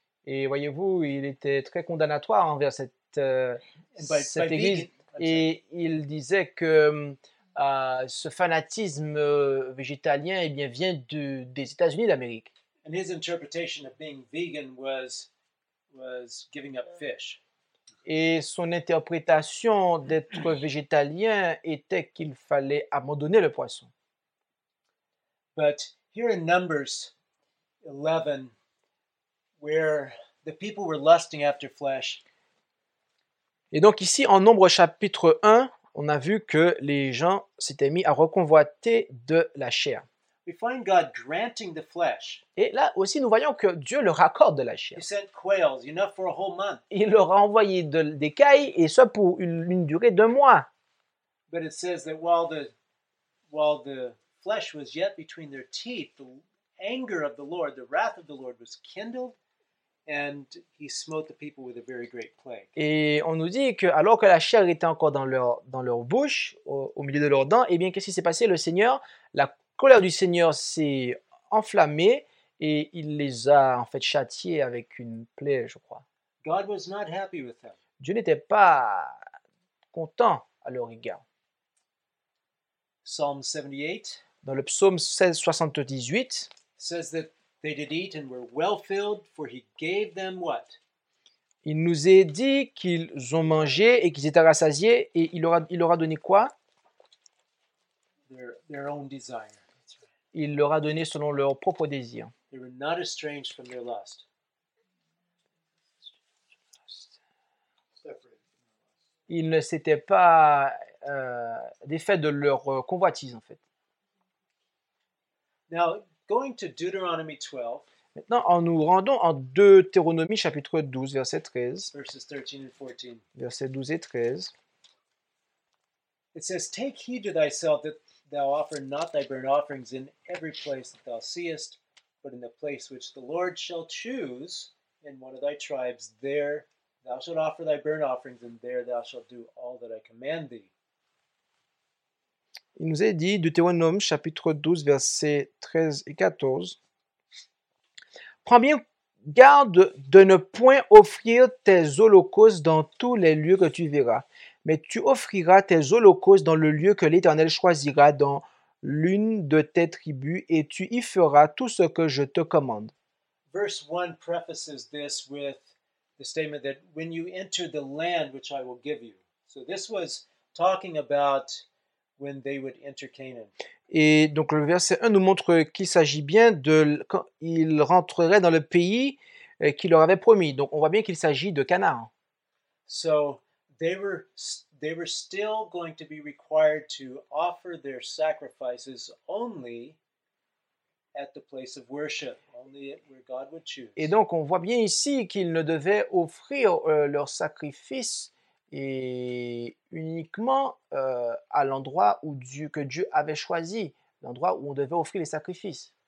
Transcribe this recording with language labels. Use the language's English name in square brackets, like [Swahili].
[French] Et voyez-vous, il était très condamnatoire envers cette église. Et il disait que ce fanatisme végétalien, eh bien, vient des États-Unis d'Amérique. [English] And his interpretation of being vegan was giving up fish. [French] Et son interprétation d'être végétalien était qu'il fallait abandonner le poisson. [English] But here in Numbers 11, where the people were lusting after flesh. [French] Et donc ici, en Nombre chapitre 1, on a vu que les gens s'étaient mis à reconvoiter de la chair. [English] We find God granting the flesh. [French] Et là aussi, nous voyons que Dieu leur accorde de la chair. [English] He sent quails, enough for a whole month. [French] Il leur a envoyé des cailles, et ça pour une durée d'un mois. [English] But it says that while the flesh was yet between their teeth, the anger of the Lord, the wrath of the Lord was kindled, And he smote the people with a very great plague. [French] Et on nous dit que alors que la chair était encore dans leur bouche, au milieu de leurs dents, eh bien, qu'est-ce qui s'est passé? Le Seigneur, la colère du Seigneur s'est enflammée et il les a en fait châtiés avec une plaie, je crois. [English] God was not happy with them. [French] Dieu n'était pas content à leur égard. [English] Psalm 78. [French] Dans le psaume 78, [English] says that they did eat and were well filled, for he gave them what? [French] Il nous est dit qu'ils ont mangé et qu'ils étaient rassasiés et il leur a donné quoi? [English] Their own desire. [French] Il leur a donné selon leur propre désir. [English] They were not estranged from their lust. [French] Ils ne s'étaient pas défaits de leur convoitise en fait. [English] Now, going to Deuteronomy 12. [French] Maintenant, en nous rendons en Deutéronomie chapitre 12, verset 13. [English] Verses 13 and 14. [French] Verset 12 et 13. [English] It says, "Take heed to thyself that thou offer not thy burnt offerings in every place that thou seest, but in the place which the Lord shall choose in one of thy tribes. There thou shalt offer thy burnt offerings, and there thou shalt do all that I command thee." [French] Il nous est dit, Deutéronome, chapitre 12, versets 13 et 14. « Prends bien garde de ne point offrir tes holocaustes dans tous les lieux que tu verras, mais tu offriras tes holocaustes dans le lieu que l'Éternel choisira dans l'une de tes tribus, et tu y feras tout ce que je te commande. » [English] Verse 1 prefaces this with the statement that when you enter the land which I will give you. So this was talking about when they would enter Canaan. [French] Et donc le verset 1 nous montre qu'il s'agit bien de quand ils rentreraient dans le pays qu'il leur avait promis. Donc on voit bien qu'il s'agit de Canaan. [English] So they were still going to be required to offer their sacrifices only at the place of worship, only where God would choose. [French] Et donc on voit bien ici qu'ils ne devaient offrir leur sacrifice et uniquement à l'endroit où Dieu avait choisi, l'endroit où on devait offrir les sacrifices.